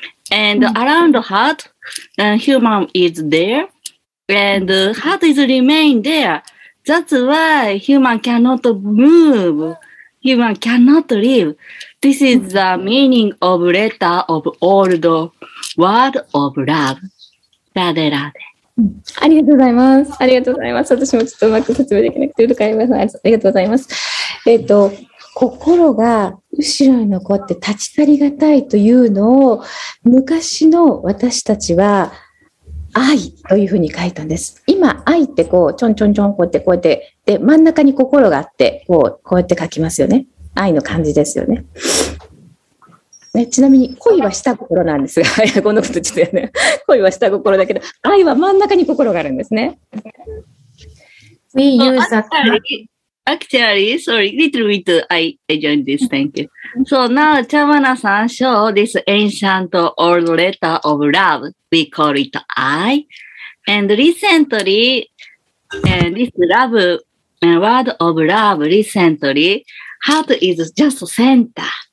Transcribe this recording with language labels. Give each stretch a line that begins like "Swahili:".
English: And around heart, human is there. And heart is remain there. That's why human cannot move. Human cannot live. This is the meaning of letter of old word of love. Rade, rade.
Japanese: ありがとうございます。ありがとうございます。私もちょっとうまく説明できなくて、ありがとうございます。心が後ろに残って立ち去りがたいというのを、昔の私たちは、愛というふうに書いたんです。今、愛ってこう、ちょんちょんちょん、こうやって、こうやって、で、真ん中に心があって、こう、こうやって書きますよね。愛の感じですよね。ね、ちなみに恋はした心なんですが、いやこんなことちょっとやね、恋はした心だけど、愛は真ん中に心があるんですね。
English: We use actually, actually, sorry, little bit, I joined this, thank you. So now, Chabana-san show this ancient old letter of love, we call it I. And recently, this love, word of love, recently, heart is just center.